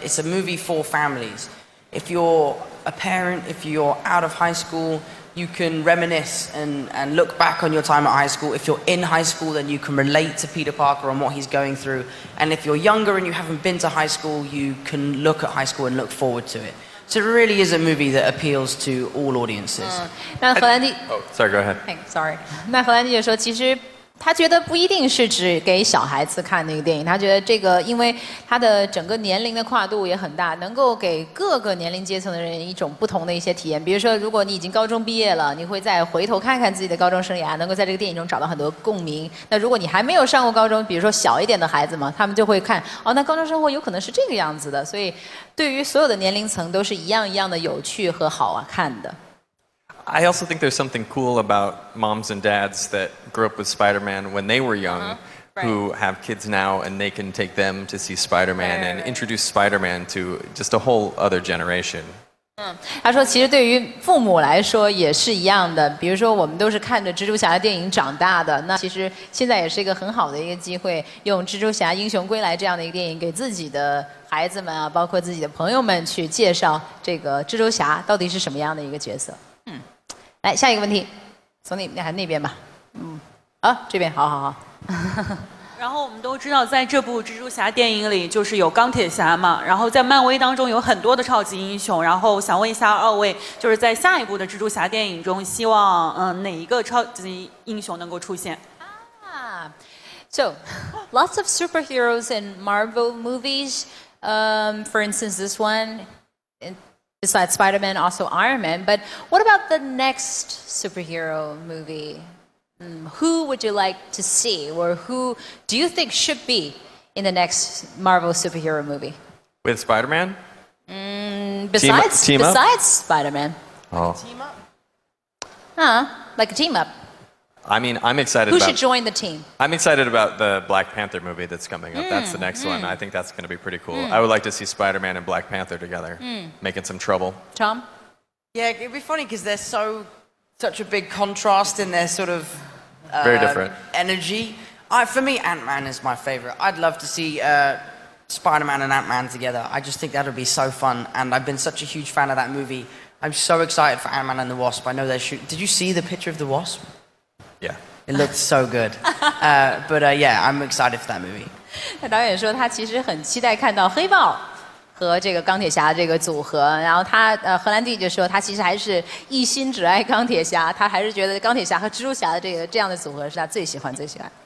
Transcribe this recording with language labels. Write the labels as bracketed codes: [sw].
[en] It's a movie for families. If you're a parent, if you're out of high school,you can reminisce and look back on your time at high school. If you're in high school, then you can relate to Peter Parker and what he's going through. And if you're younger and you haven't been to high school, you can look at high school and look forward to it. So it really is a movie that appeals to all audiences. [zh] 那荷兰弟 [en] Oh, sorry, go ahead. Thanks, sorry. [zh] 那荷兰弟就说其实他觉得不一定是只给小孩子看那个电影，他觉得这个因为他的整个年龄的跨度也很大，能够给各个年龄阶层的人一种不同的一些体验。比如说如果你已经高中毕业了，你会再回头看看自己的高中生涯，能够在这个电影中找到很多共鸣。那如果你还没有上过高中，比如说小一点的孩子嘛，他们就会看哦，那高中生活有可能是这个样子的，所以对于所有的年龄层都是一样一样的有趣和好啊看的。 [en] I also think there's something cool about moms and dads that grew up with Spider-Man when they were young, who have kids now, and they can take them to see Spider-Man and introduce Spider-Man to just a whole other generation. [zh] 他说其实对于父母来说也是一样的，比如说我们都是看着蜘蛛侠的电影长大的，那其实现在也是一个很好的一个机会，用蜘蛛侠英雄归来这样的一个电影给自己的孩子们啊，包括自己的朋友们去介绍这个蜘蛛侠到底是什么样的一个角色。来下一个问题，从你还那边吧。这边好好好。然后我们都知道在这部蜘蛛侠电影里就是有钢铁侠嘛，然后在漫威当中有很多的超级英雄，然后想问一下二位，就是在下一部的蜘蛛侠电影中希望哪一个超级英雄能够出现。 [en] So lots of superheroes in Marvel movies, for instance this one besides Spider-Man, also Iron Man, but what about the next superhero movie? Who would you like to see, or who do you think should be in the next Marvel superhero movie? With Spider-Man? Besides Spider-Man. Oh. Team up? Like a team up. I mean, I'm excited about... Who should join the team? I'm excited about the Black Panther movie that's coming up. That's the next one. I think that's going to be pretty cool. I would like to see Spider-Man and Black Panther together, making some trouble. Tom? Yeah, it'd be funny because they're so... such a big contrast in their sort of... very different. ...energy. For me, Ant-Man is my favorite. I'd love to see Spider-Man and Ant-Man together. I just think that would be so fun. And I've been such a huge fan of that movie. I'm so excited for Ant-Man and the Wasp. I know they're shooting... Did you see the picture of the Wasp? Yeah. It looks so good. I'm excited for that movie. [zh] 导演说他其实很期待看到黑豹和这个钢铁侠这个组合，然后他荷兰弟就说他其实还是一心只爱钢铁侠，他还是觉得钢铁侠和蜘蛛侠的这样的组合是他最喜欢最喜欢。